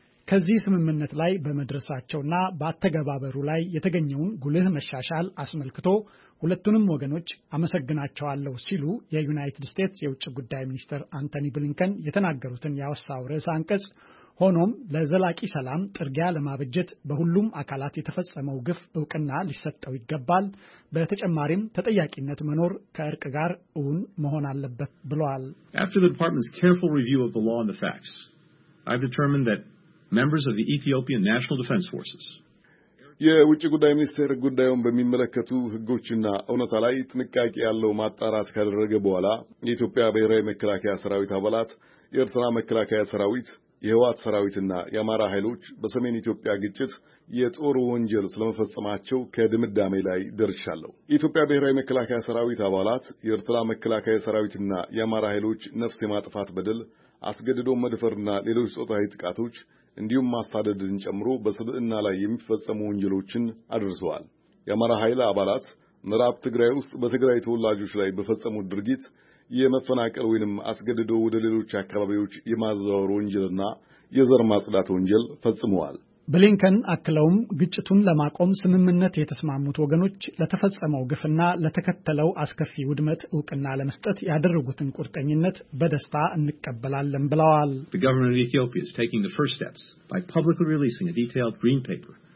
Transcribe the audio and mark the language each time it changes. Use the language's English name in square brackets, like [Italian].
[Amharic] ከዚህ ስምምነት ላይ በመድረሳቸውና በአተገባበሩ ላይ የተገኘውን ጉልህ መሻሻል አስመልክቶ ሁለቱንም ወገኖች አመሰግናቸዋለሁ ሲሉ የዩናይትድ ስቴትስ የውጭ ጉዳይ ሚኒስትር አንቶኒ ብሊንከን የተናገሩትን ያወሳው ርዕሰ አንቀጽ ሆኖም ለዘላቂ ሰላም ጥርጊያ ለማበጀት በሁሉም አካላት የተፈጸመው ግፍ ዕውቅና ሊሰጠው ይገባል፣ በተጨማሪም ተጠያቂነት መኖር ከእርቅ ጋር እውን መሆን አለበት ብለዋል። [English] After the department's careful review of the law and the facts, I've determined that members of the Ethiopian National Defense Forces [Amharic] የውጭ ጉዳይ ሚኒስቴር ጉዳዩን በሚመለከቱ ህጎችና አውነታ ላይ ጥንቃቄ ያለው ማጣራት ካደረገ በኋላ የኢትዮጵያ ብሔራዊ መከላከያ ሰራዊት አባላት፣ የኤርትራ መከላከያ ሰራዊት፣ የህወሓት ሰራዊትና የአማራ ኃይሎች በሰሜን ኢትዮጵያ ግጭት የጦር ወንጀል ስለመፈጸማቸው ከድምዳሜ ላይ ደርሻለሁ። የኢትዮጵያ ብሔራዊ መከላከያ ሰራዊት አባላት፣ የኤርትራ መከላከያ ሰራዊትና የአማራ ኃይሎች ነፍስ የማጥፋት በደል፣ አስገድዶ መድፈርና ሌሎች ጾታዊ ጥቃቶች እንዲሁም ማስተዳደርን ጨምሮ በስብዕና ላይ የሚፈጸሙ ወንጀሎችን አድርሰዋል። የአማራ ኃይል አባላት ምዕራብ ትግራይ ውስጥ በትግራይ ተወላጆች ላይ በፈጸሙት ድርጊት የመፈናቀል ወይንም አስገድዶ ወደ ሌሎች አካባቢዎች የማዛወር ወንጀልና የዘር ማጽዳት ወንጀል ፈጽመዋል። ብሊንከን አክለውም ግጭቱን ለማቆም ስምምነት የተስማሙት ወገኖች ለተፈጸመው ግፍና ለተከተለው አስከፊ ውድመት ዕውቅና ለመስጠት ያደረጉትን ቁርጠኝነት በደስታ እንቀበላለን ብለዋል። [English] The government of Ethiopia is taking the first steps by publicly releasing a detailed green paper.